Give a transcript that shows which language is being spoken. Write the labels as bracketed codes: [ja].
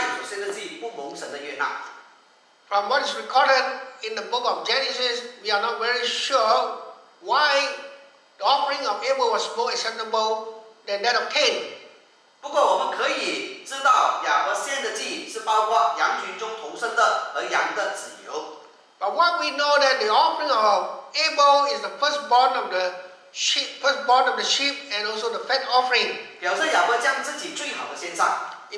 [zh] 在创世纪的里面记载，没有详细解释为什么亚伯所献的祭蒙神喜悦，而该隐所献的祭不蒙神的悦纳。 [en] From what is recorded in the book of Genesis, we are not very sure why the offering of Abel was more acceptable than that of Cain. [zh] 不过我们可以知道，亚伯献的祭是包括羊群中投生的和羊的子由。But [en] what we know that the offering of Abel is the firstborn of the sheep, and also the fat offering. [zh] 表示亚伯将自己最好的献上。It